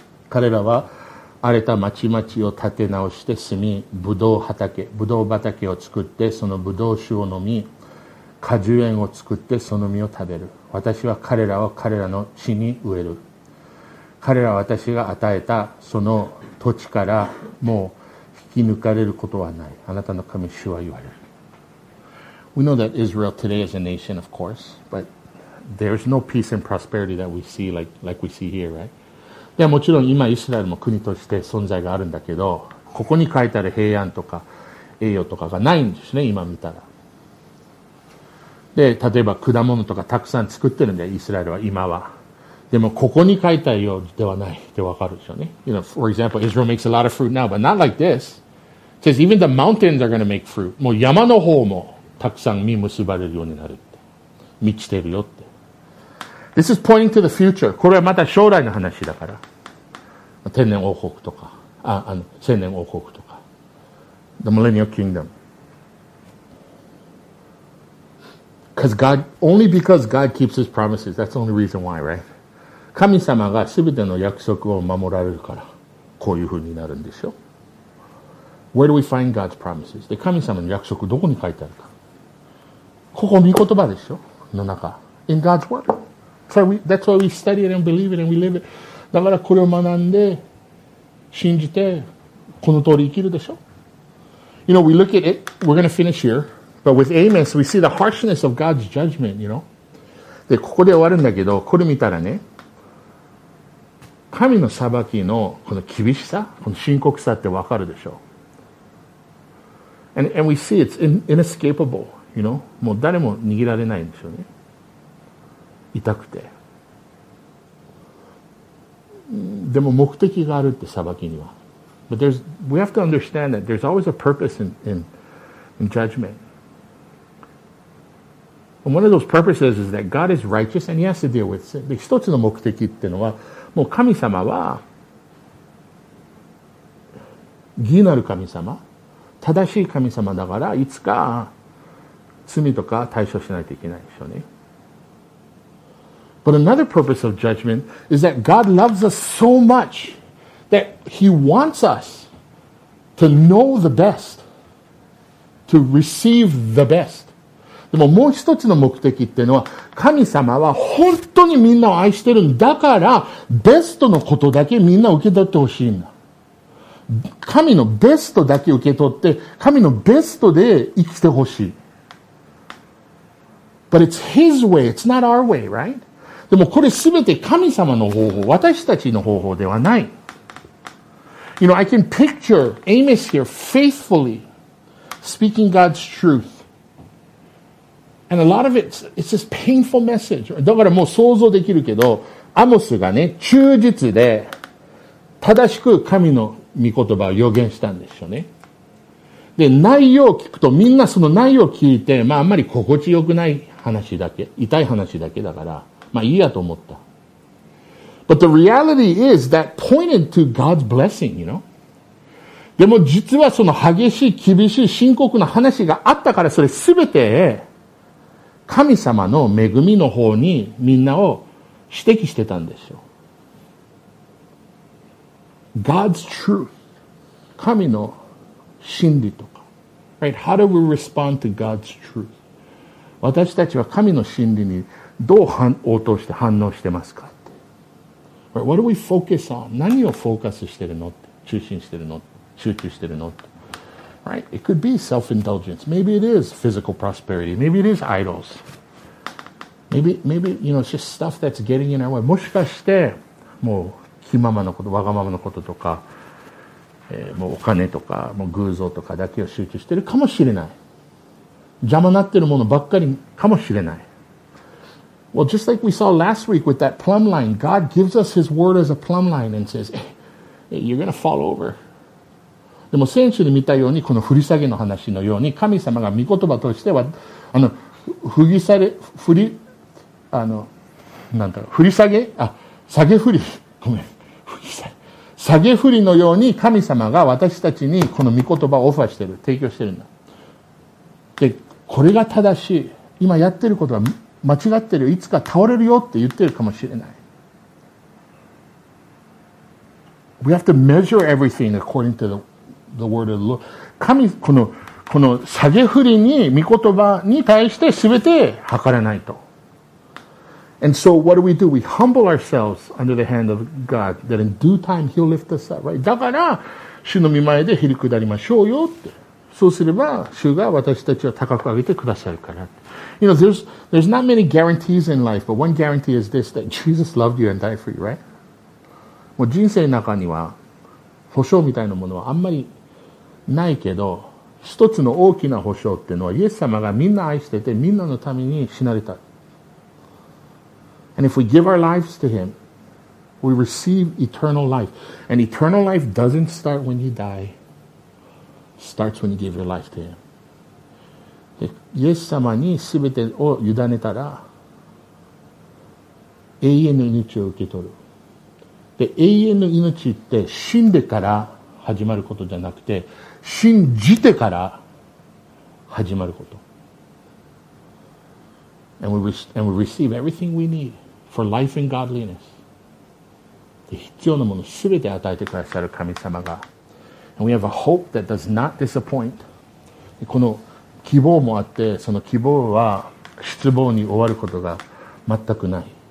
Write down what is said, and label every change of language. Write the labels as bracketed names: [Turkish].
[Japanese] 彼らは荒れた町々を建て直して住み、ブドウ畑を作ってそのブドウ酒を飲み、果樹園を作ってその実を食べる。私は彼らを彼らの地に植える。彼らは私が与えたその土地からもう引き抜かれることはない。あなたの神主は言われる。 [English] We know that Israel today is a nation, of course, but there's no peace and prosperity that we see like we see here, right? [Japanese] いや、もちろん今イスラエルも国として存在があるんだけど、ここに書いてある平安とか栄誉とかがないんですね、今見たら。で、例えば果物とかたくさん作ってるんだよ、イスラエルは今は。でもここに書いたようではないってわかるでしょうね。 [English] You know, for example, Israel makes a lot of fruit now, but not like this. It says even the mountains are going to make fruit. [Japanese] もう山の方もたくさん実結ばれるようになるって。満ちてるよって。 [English] This is pointing to the future. [Japanese] これはまた将来の話だから。天然王国とか、千年王国とか。 [English] The Millennial Kingdom. Only because God keeps his promises, that's the only reason why, right? [Japanese] 神様がすべての約束を守られるから、こういうふうになるんでしょ。 [English] Where do we find God's promises? [Japanese] で、神様の約束どこに書いてあるか。ここ御言葉でしょ、の中。 [English] In God's Word. That's why we study it and believe it and we live it. [Japanese] だからこれを学んで、信じて、この通り生きるでしょ。 [English] You know, we look at it, we're going to finish here, but with Amos, we see the harshness of God's judgment, you know. [Japanese] で、ここで終わるんだけど、これ見たらね、神の裁きのこの厳しさ、この深刻さってわかるでしょう。 [English] And we see it's inescapable, you know? [Japanese] もう誰も逃げられないんですよね。痛くて。でも目的があるって裁きには。 [English] But there's, we have to understand that there's always a purpose in judgment. And one of those purposes is that God is righteous and he has to deal with sin. [Japanese] 一つの目的っていうのは、もう神様は義なる神様、正しい神様だから、いつか罪とか対処しないといけないでしょうね。 [English] But another purpose of judgment is that God loves us so much that He wants us to know the best, to receive the best. [Japanese] でももう一つの目的っていうのは、神様は本当にみんなを愛してるんだから、ベストのことだけみんな受け取ってほしいんだ。神のベストだけ受け取って、神のベストで生きてほしい。 [English] But it's His way, it's not our way, right? [Japanese] でもこれすべて神様の方法、私たちの方法ではない。 [English] You know, I can picture Amos here faithfully speaking God's truth. And a lot of it's this painful message. [Japanese] だからもう想像できるけど、アモスがね、忠実で、正しく神の御言葉を予言したんでしょうね。で、内容を聞くと、みんなその内容を聞いて、まああんまり心地よくない話だけ、痛い話だけだから、まあいいやと思った。 [English] But the reality is that pointed to God's blessing, you know? [Japanese] でも実はその激しい、厳しい、深刻な話があったから、それすべて、神様の恵みの方にみんなを指摘してたんですよ。 [English] God's truth. [Japanese] 神の真理とか。 [English] Right? How do we respond to God's truth? [Japanese] 私たちは神の真理にどう応答して反応してますかって。 Right? What do we focus on? 何をフォーカスしてるのって。中心してるの。集中してるのって。 [English] Right? It could be self-indulgence. Maybe it is physical prosperity. Maybe it is idols. Maybe, you know, it's just stuff that's getting in our way. [Japanese] もしかして、もう気ままのこと、わがままのこととか、もうお金とか、もう偶像とかだけを集中してるかもしれない。邪魔なってるものばっかりかもしれない。 [English] Well, just like we saw last week with that plumb line, God gives us his word as a plumb line and says, hey, you're going to fall over. [Japanese] でも先週に見たようにこの振り下げの話のように神様が御言葉としてはあの振り下げ振りあのなんだろう振り下げあ下げ振りごめん振り下げ下げ振りのように神様が私たちにこの御言葉をオファーしている提供しているんだでこれが正しい今やってることは間違ってるいつか倒れるよって言ってるかもしれない [English] We have to measure everything according to the word of the Lord [Japanese] 神この下げ振りに御言葉に対して全て測らないと [English] And so what do? We humble ourselves under the hand of God that in due time He'll lift us up, right? [Japanese] だから、主の御前でひり下りましょうよって。そうすれば、主が私たちを高く上げてくださるから。 [English] You know, there's not many guarantees in life, but one guarantee is this, that Jesus loved you and died for you, right? [Japanese] もう人生の中には、保証みたいなものはあんまりないけど、一つの大きな保証っていうのは、イエス様がみんな愛してて、みんなのために死なれた。 [English] And if we give our lives to Him, we receive eternal life. And eternal life doesn't start when you die. It starts when you give your life to Him. [Japanese] イエス様に全てを委ねたら、永遠の命を受け取る。で、永遠の命って死んでから始まることじゃなくて、信じてから始まること。 [English] And we receive everything we need. For life and godliness. [Japanese] で必要なものすべて与えてくださる神様が。 [English] And we have a hope that does not disappoint. [Japanese] この希望もあって、その希望は失望に終わることが全くない。